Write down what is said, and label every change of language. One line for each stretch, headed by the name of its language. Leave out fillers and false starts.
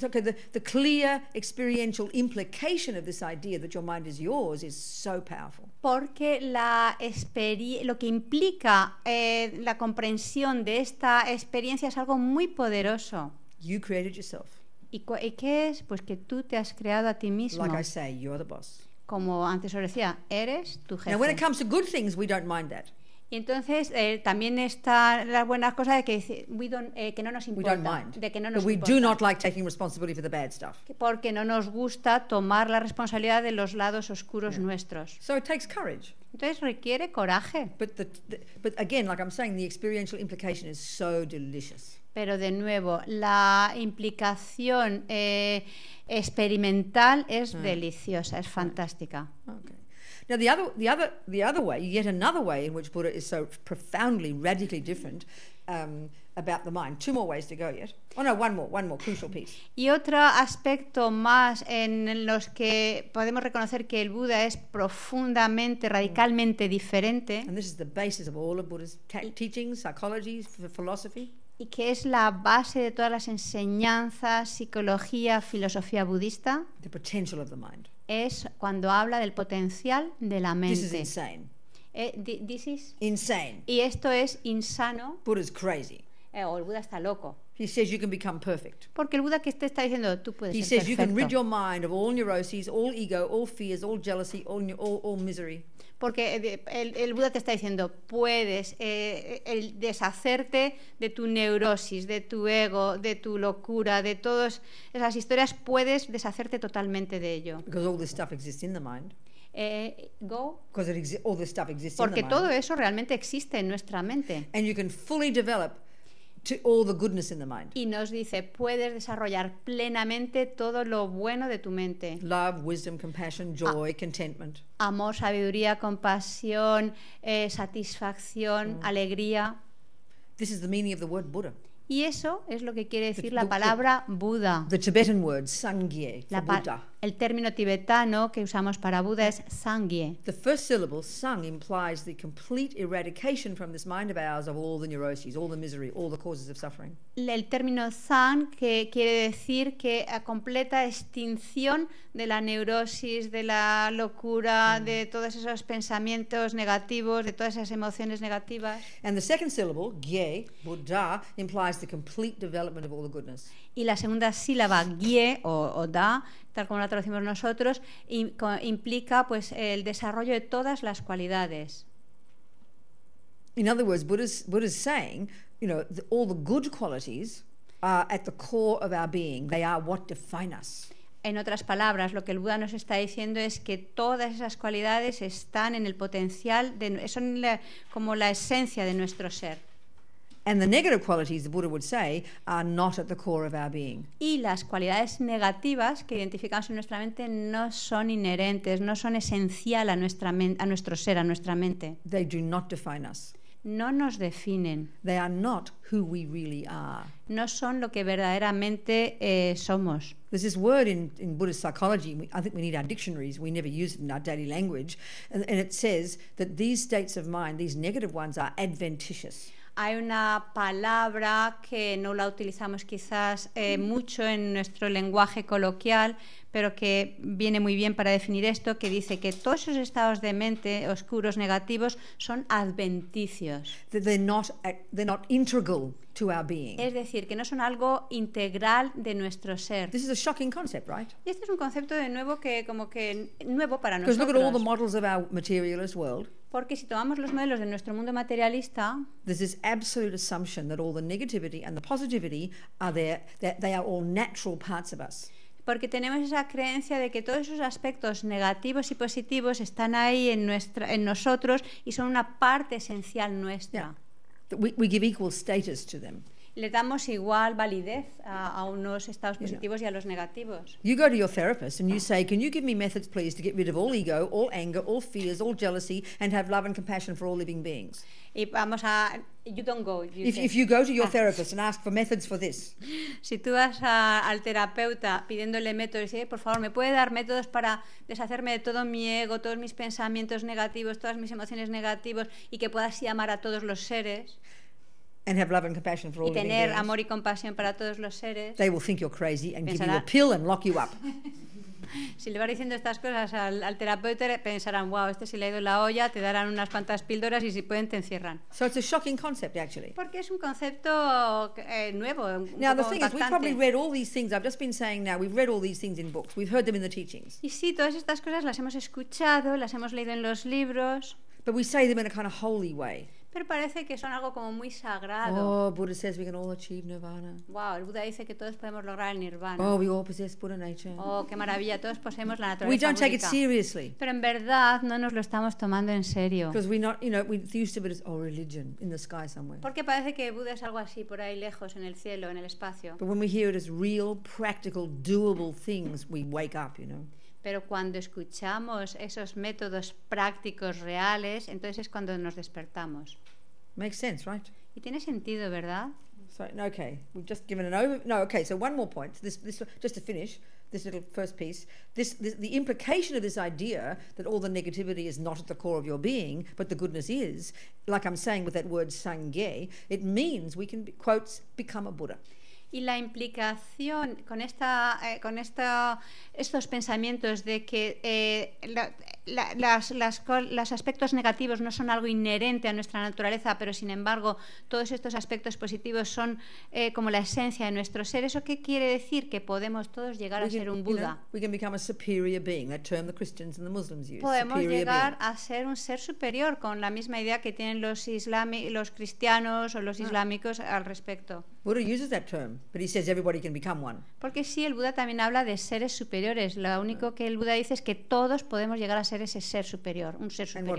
English: Okay, the clear experiential implication of this idea that your mind is yours is so powerful.
Spanish: Porque lo que implica la comprensión de esta experiencia es algo muy poderoso.
English: You created yourself.
Spanish: ¿Y qué es? Pues que tú te has creado a ti mismo.
English: Like I say, you're the boss.
Spanish: Como antes os decía, eres tu jefe.
English: Now, when it comes to good things, we don't mind that.
Spanish: Y entonces también está la buena cosa de que que no nos importa,
English: we don't mind,
Spanish: de que no nos
English: but we
Spanish: importa.
English: Do not like taking responsibility for the bad stuff.
Spanish: Porque no nos gusta tomar la responsabilidad de los lados oscuros nuestros.
English: So it takes courage.
Spanish: Entonces requiere coraje.
English: But again, like I'm saying, the experiential implication is so delicious.
Spanish: Pero de nuevo, la implicación experimental es deliciosa, es fantástica.
English: Okay. Now the other way, yet another way in which Buddha is so profoundly, radically different about the mind. Two more ways to go yet. Oh no, one more crucial piece.
Spanish: Y otro aspecto más en los que podemos reconocer que el Buda es profundamente, radicalmente diferente.
English: And this is the basis of all of Buddha's teachings, psychology, philosophy.
Spanish: Y que es la base de todas las enseñanzas, psicología, filosofía budista.
English: The potential of the mind.
Spanish: Es cuando habla del potencial de la mente.
English: This is insane. This is insane.
Spanish: Y esto es insano.
English: Buddha's crazy.
Spanish: O el Buda está loco.
English: He says you can become perfect.
Spanish: Porque el Buda que te está diciendo tú puedes
English: He
Spanish: ser
English: says
Spanish: perfecto.
English: You can rid your mind of all neuroses, all ego, all fears, all jealousy, all misery.
Spanish: Porque el Buda te está diciendo puedes deshacerte de tu neurosis, de tu ego, de tu locura, de todas esas historias, puedes deshacerte totalmente de ello.
English: Because all this stuff exists in the mind. Because all this stuff exists.
Spanish: Porque
English: in the
Spanish: todo
English: mind.
Spanish: Eso realmente existe en nuestra mente.
English: And you can fully develop to all the goodness in the mind.
Spanish: Y nos dice puedes desarrollar plenamente todo lo bueno de tu mente.
English: Love, wisdom, compassion, joy, contentment.
Spanish: Amor, sabiduría, compasión, satisfacción, alegría.
English: This is the meaning of the word Buddha.
Spanish: Y eso es lo que quiere decir la palabra Buda.
English: The Tibetan word Sangye, Buddha.
Spanish: El término tibetano que usamos para Buda es Sangye.
English: The first syllable Sang implies the complete eradication from this mind of ours of all the neuroses, all the misery, all the causes of suffering.
Spanish: El término Sang que quiere decir que a completa extinción de la neurosis, de la locura, de todos esos pensamientos negativos, de todas esas emociones negativas.
English: And the second syllable Gye, Buddha, implies the complete development of all the goodness.
Spanish: Y la segunda sílaba Gye o Da, tal como la traducimos nosotros, implica pues el desarrollo de todas las cualidades.
English: In other words, Buddha's saying, you know, all the good qualities are at the core of our being. They are what define us.
Spanish: En otras palabras, lo que el Buda nos está diciendo es que todas esas cualidades están en el potencial de, son la, como la esencia de nuestro ser.
English: And the negative qualities, the Buddha would say, are not at the core of our being.
Spanish: Y las cualidades negativas que identificamos en nuestra mente no son inherentes, no son esencial a nuestra a nuestro ser, a nuestra mente.
English: They do not define us.
Spanish: No nos definen.
English: They are not who we really are.
Spanish: No son lo que verdaderamente somos.
English: There's this word in Buddhist psychology, I think we need our dictionaries, we never use it in our daily language, and it says that these states of mind, these negative ones, are adventitious.
Spanish: Hay una palabra que no la utilizamos quizás mucho en nuestro lenguaje coloquial, pero que viene muy bien para definir esto, que dice que todos esos estados de mente oscuros, negativos, son adventicios.
English: They're not integral to our being.
Spanish: Es decir, que no son algo integral de nuestro ser.
English: This is a shocking concept, right?
Spanish: Y este es un concepto de nuevo que como que nuevo para nosotros.
English: Look at all the models of our materialist world.
Spanish: Porque si tomamos los modelos de nuestro mundo materialista,
English: there's this absolute assumption that all the negativity and the positivity are there, that they are all natural parts of us.
Spanish: Porque tenemos esa creencia de que todos esos aspectos negativos y positivos están ahí en nosotros y son una parte esencial nuestra.
English: Yeah. We give equal status to them.
Spanish: Le damos igual validez a unos estados positivos y a los negativos.
English: You go to your therapist and you say, can you give me methods, please, to get rid of all ego, all anger, all fears, all jealousy, and have love and compassion for all living beings?
Spanish: Y vamos a,
English: you don't go. You if you go to your therapist and ask for methods for this.
Spanish: Si tú vas al terapeuta pidiéndole métodos, y dices, por favor, ¿me puede dar métodos para deshacerme de todo mi ego, todos mis pensamientos negativos, todas mis emociones negativas, y que pueda así amar a todos los seres?
English: And have love and compassion for all living beings.
Spanish: Y tener amor y compasión para todos los seres.
English: They will think you're crazy and give you a pill and lock you up.
Spanish: Si le va diciendo estas cosas al terapeuta, pensarán, wow, este se le ha ido la olla, te darán unas cuantas píldoras y si pueden te encierran.
English: So it's a shocking concept, actually.
Spanish: Porque es un concepto nuevo.
English: Now the thing is, we've probably read all these things. I've just been saying now, we've read all these things in books. We've heard them in the teachings.
Spanish: Y sí, todas estas cosas las hemos escuchado, las hemos leído en los libros.
English: But we say them in a kind of holy way.
Spanish: Pero parece que son algo como muy sagrado.
English: Oh, Buddha says we can all achieve nirvana.
Spanish: Wow, el Buda dice que todos podemos lograr el nirvana.
English: Oh, we all possess Buddha nature.
Spanish: Oh, qué maravilla, todos poseemos la naturaleza.
English: We don't
Spanish: búdica.
English: Take it seriously.
Spanish: Pero en verdad no nos lo estamos tomando en serio.
English: Because we not, you know, we used to be our religion in the sky somewhere.
Spanish: Porque parece que Buda es algo así por ahí lejos en el cielo, en el espacio.
English: But when we hear it as real, practical, doable things, we wake up, you know.
Spanish: Pero cuando escuchamos esos métodos prácticos reales, entonces es cuando nos despertamos.
English: Makes sense, right?
Spanish: Y tiene sentido, ¿verdad?
English: Sorry, no, okay, we've just given an over. No, okay. So one more point. This just to finish this little first piece. This the implication of this idea that all the negativity is not at the core of your being, but the goodness is. Like I'm saying with that word sangye, it means we can be, quotes become a Buddha.
Spanish: Y la implicación con esta con esta estos pensamientos de que los aspectos negativos no son algo inherente a nuestra naturaleza, pero sin embargo todos estos aspectos positivos son como la esencia de nuestro ser. ¿Eso qué quiere decir? Que podemos todos llegar a ser un Buda.
English: We can become a superior being, that term the Christians and the Muslims use.
Spanish: Podemos
English: superior
Spanish: llegar
English: being.
Spanish: A ser un ser superior con la misma idea que tienen los cristianos o los islámicos al respecto.
English: Buddha uses that term, but he says everybody can become one.
Spanish: Porque sí, el Buda también habla de seres superiores. Lo único que el Buda dice es que todos podemos llegar a ser ese ser superior, un ser superior.